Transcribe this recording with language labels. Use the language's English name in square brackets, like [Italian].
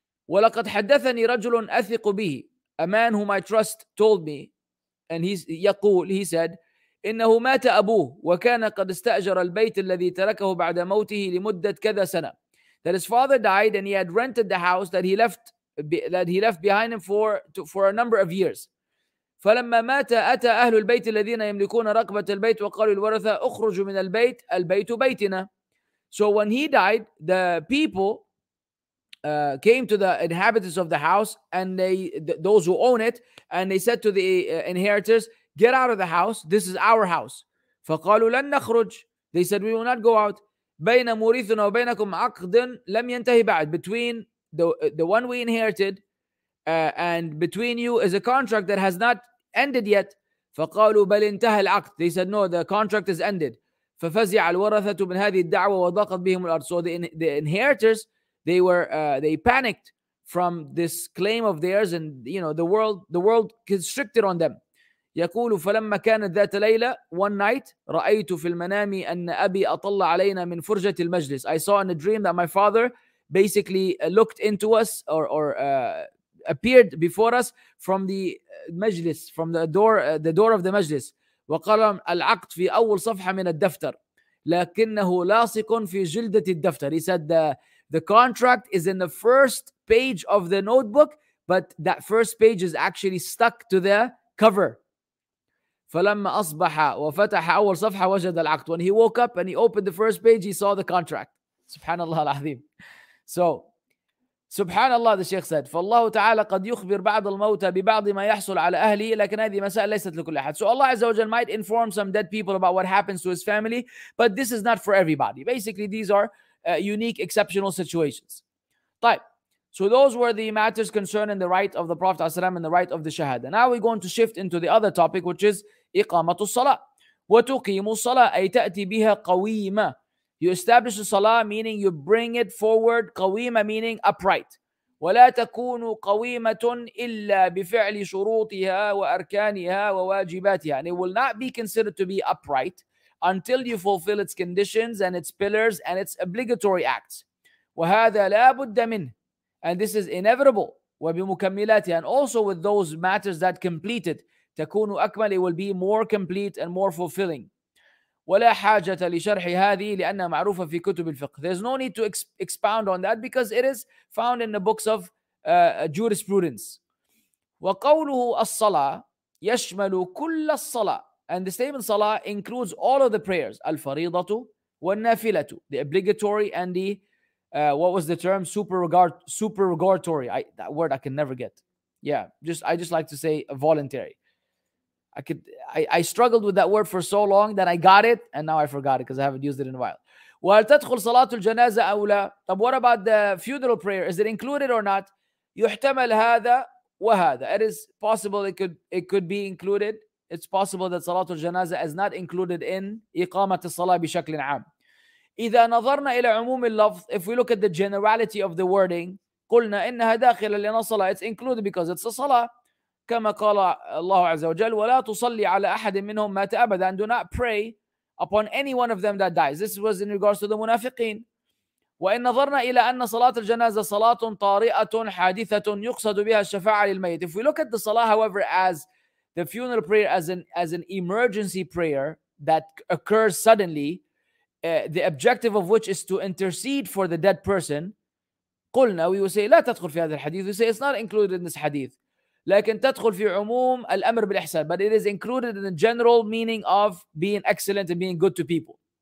[Arabic] وَلَقَدْ حَدَّثَنِي رَجُلٌ أَثِقُ بِهِ. [English] A man whom I trust told me, and he said, [Arabic] إِنَّهُ مَاتَ أَبُوهُ وَكَانَ قَدْ اسْتَأْجَرَ الْبَيْتِ الَّذِي تَرَكَهُ بَعْدَ مَوْتِهِ لِمُدَّةِ كَذَا سَنَةً. [English] That his father died and he had rented the house that he left behind him for a number of years. [Arabic] فلما مات أتى أهل البيت الذين يملكون رقبة البيت وقالوا الورثة أخرجوا من البيت البيت بيتنا. [English] So when he died, the people came to the inhabitants of the house and those who own it, and they said to the inheritors, get out of the house, this is our house. [Arabic] فقالوا لن نخرج. [English] They said, we will not go out. [Arabic] بين مورثنا وبينكم عقد لم ينتهي بعد. [English] Between the one we inherited and between you is a contract that has not ended yet. [Arabic] فقالوا بل انتهى العقد. [English] They said, no, the contract is ended. [Arabic] ففزع الورثة من هذه الدعوة وضاقت بهم الأرض. [English] So the inheritors, they panicked from this claim of theirs, and you know, the world constricted on them. [Arabic] يقول فلما كانت ذات ليلة, [English] one night, [Arabic] رأيت في المنام أن أبي أطلع علينا من فرجة المجلس. [English] I saw in a dream that my father basically looked into us or appeared before us from the majlis, from the door of the majlis. [Arabic] وقال العقد في أول صفحة من الدفتر لكنه لاصق في جلدة الدفتر. [English] He said the contract is in the first page of the notebook, but that first page is actually stuck to the cover. [Arabic] فلما أصبح وفتح أول صفحة وجد العقد. [English] When he woke up and he opened the first page, he saw the contract. [Arabic] سبحان الله العظيم. So, سبحان الله, [English] the Sheikh said, [Arabic] فالله تعالى قد يخبر بعض الموتى ببعض ما يحصل على أهله, لكن هذه مسألة ليست لكل أحد. [English] So Allah Azza wa Jal might inform some dead people about what happens to his family, but this is not for everybody. Basically, these are unique, exceptional situations. طيب, so those were the matters concerning the right of the Prophet ﷺ and the right of the Shahada. Now we're going to shift into the other topic, which is إقامة الصلاة. [Arabic] وتقيم الصلاة أي تأتي بها قويمة. [English] You establish the salah, meaning you bring it forward. Qawima, meaning upright. [Arabic] ولا تكون قويمة إلا بفعل شروطها وأركانها وواجباتها. [English] And it will not be considered to be upright until you fulfill its conditions and its pillars and its obligatory acts. [Arabic] وهذا لا بد منه. [English] And this is inevitable. [Arabic] وبمكملاتها. [English] And also with those matters that complete it. [Arabic] تكون أكمل. [English] It will be more complete and more fulfilling. [Arabic] ولا حاجة لشرح هذه لأنها معروفة في كتب الفقه. [English] There's no need to expound on that because it is found in the books of jurisprudence. [Arabic] وقوله الصلاة يشمل كل الصلاة. [English] And the statement صلاة includes all of the prayers. [Arabic] الفريضة والنافلة. [English] The obligatory and the, what was the term? Supererogatory. That word I can never get. Yeah, I just like to say voluntary. I struggled with that word for so long that I got it and now I forgot it because I haven't used it in a while. [Arabic] وهل تدخل صلاة الجنازة أو لا? [English] طب what about the funeral prayer? Is it included or not? [Arabic] يحتمل هذا وهذا. [English] It is possible it could be included. It's possible that صلاة الجنازة is not included in [Arabic] إقامة الصلاة بشكل عام. إذا نظرنا إلى عموم اللفظ, [English] if we look at the generality of the wording, [Arabic] قلنا إنها داخل لنا صلاة. [English] It's included because it's a صلاة. [Arabic] كما قال الله عز وجل ولا تصلي على أحد منهم مات أبدا. [English] And do not pray upon any one of them that dies. This was in regards to the منافقين. [Arabic] وإن نظرنا إلى أن صلاة الجنازة صلاة طارئة حادثة يقصد بها الشفاعة للميت. [English] If we look at the salah however as the funeral prayer as an emergency prayer that occurs suddenly, the objective of which is to intercede for the dead person, قلنا we will say [Arabic] لا تدخل في هذا الحديث. [English] We say it's not included in this hadith. [Arabic] لكن تدخل في عموم الأمر بالإحسان. [English] But it is included in the general meaning of being excellent and being good to people.